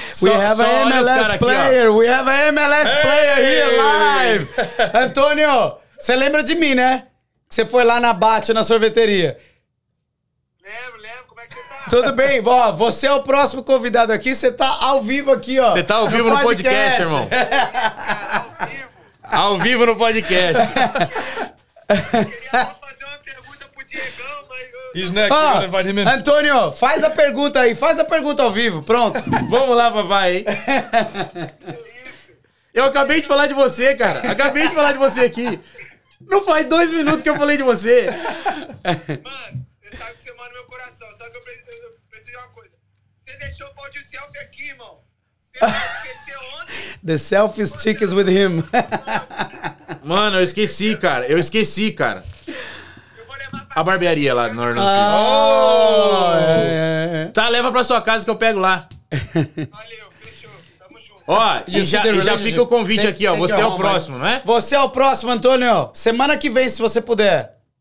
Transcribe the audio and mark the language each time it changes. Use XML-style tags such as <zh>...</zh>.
<en>We have an MLS player here live.</en> <pt>Antônio, você lembra de mim, né? Você foi lá na Bate, na sorveteria. Tudo bem, ó, você é o próximo convidado aqui, você tá ao vivo aqui, ó. Você tá ao vivo no podcast, irmão. Cara, ao vivo. Ao vivo no podcast. Eu queria fazer uma pergunta pro Diegão, mas...</pt> <en>He's next.</en> <pt>Antônio, faz a pergunta aí, faz a pergunta ao vivo, pronto. Vamos lá, papai. Eu acabei de falar de você, cara. Acabei de falar de você aqui. Não faz dois minutos que eu falei de você. Mano, você sabe que você manda no meu coração. Só que eu preciso de uma coisa. Você deixou o pau de selfie aqui, irmão. Você esqueceu ontem?</pt> <en>The selfie stick is with him.</en> <pt>Mano, eu esqueci, cara. A barbearia lá no Orlando. Oh! Tá, leva pra sua casa que eu pego lá. Valeu, fechou. Tamo junto. Ó, e já fica o convite aqui, ó. Você é o próximo, não é? Você é o próximo, Antônio. Semana que vem, se você puder.</pt>